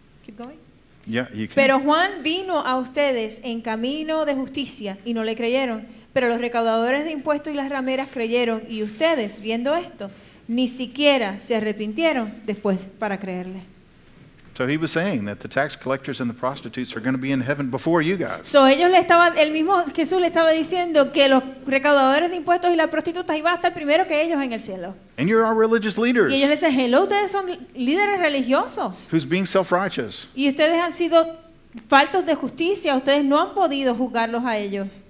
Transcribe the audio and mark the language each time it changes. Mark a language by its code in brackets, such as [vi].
[en] Keep going. Yeah, you can. [es] Pero Juan vino a ustedes en camino de justicia y no le creyeron. Pero los recaudadores de impuestos y las rameras creyeron, y ustedes, viendo esto, ni siquiera se arrepintieron después para creerle. [en] So he was saying that the tax collectors and the prostitutes are going to be in heaven before you guys. [es] So ellos le estaban, el mismo Jesús le estaba diciendo que los recaudadores de impuestos y las prostitutas iban a estar primero que ellos en el cielo. [en] And you're our religious leaders. [es] Y ellos le dicen, hello, ustedes son líderes religiosos. [en] Who's being self-righteous. [es] Y ustedes han sido faltos de justicia, ustedes no han podido juzgarlos a ellos.